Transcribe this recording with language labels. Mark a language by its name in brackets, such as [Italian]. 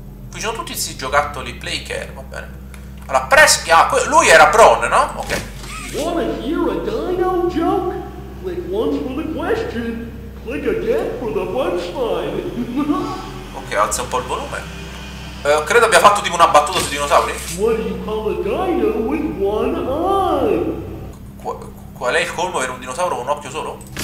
[Italian] Qui ci sono tutti questi giocattoli play care, va bene. Allora, Presky, ah, lui era Bron, no? Ok. [English] Wanna hear a dino joke? Click once for the question, click again for the punchline. [Italian] Ok, alza un po' il volume. Credo abbia fatto tipo una battuta sui dinosauri. [English] What do you call a dino with one eye? [Italian] Qual è il colmo per un dinosauro con un occhio solo?